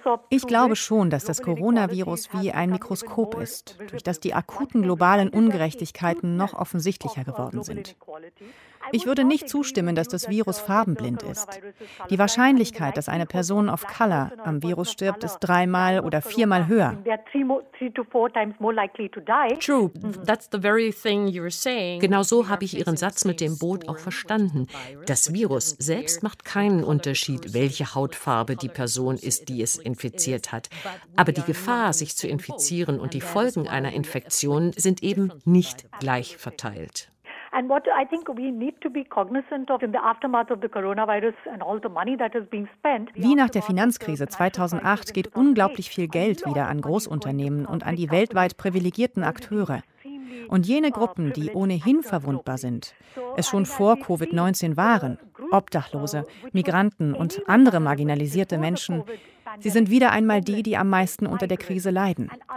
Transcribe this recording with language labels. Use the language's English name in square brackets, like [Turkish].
[German] Ich glaube schon, dass das Coronavirus wie ein Mikroskop ist, durch das die akuten globalen Ungerechtigkeiten noch offensichtlicher geworden sind. Ich würde nicht zustimmen, dass das Virus farbenblind ist. Die Wahrscheinlichkeit, dass eine Person of Color am Virus stirbt, ist dreimal oder viermal höher. [English] True, that's the very thing you're saying. [German] Genau so habe ich Ihren Satz mit dem Boot auch verstanden. Das Virus selbst macht keinen Unterschied, welche Hautfarbe die Person ist, die es infiziert hat. Aber die Gefahr, sich zu infizieren und die Folgen einer Infektion sind eben nicht gleich verteilt. [English] And what I think we need to be cognizant of in the aftermath of the coronavirus and all the money that is being spent. [German] Wie nach der Finanzkrise 2008 geht unglaublich viel Geld wieder an Großunternehmen und an die weltweit privilegierten Akteure. Und jene Gruppen, die ohnehin verwundbar sind, es schon vor Covid-19 waren, Obdachlose, Migranten und andere marginalisierte Menschen, sie sind wieder einmal die, die am meisten unter der Krise leiden.